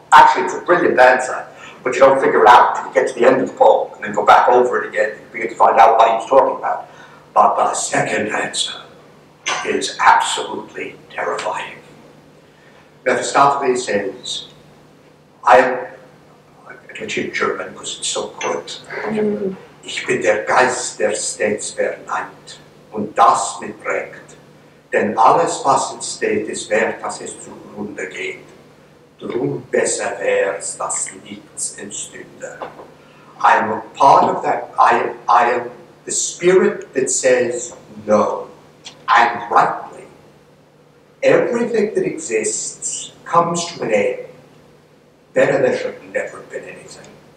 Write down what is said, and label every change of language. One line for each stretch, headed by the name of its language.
English: Actually, it's a brilliant answer, but you don't figure it out until you get to the end of the poem and then go back over it again and begin to find out what he's talking about. But the second answer is absolutely terrifying. Mephistopheles is, I can't hear German because it's so good.
German: Ich bin der Geist, der stets verneint, und das mit prägt. Denn alles, was entsteht, ist wert, dass es zugrunde geht. Drum besser wär's, dass nichts entstünde.
English: I am a part of that, I am the spirit that says no, and rightly. Everything that exists comes to an end. Better there should never have been anything.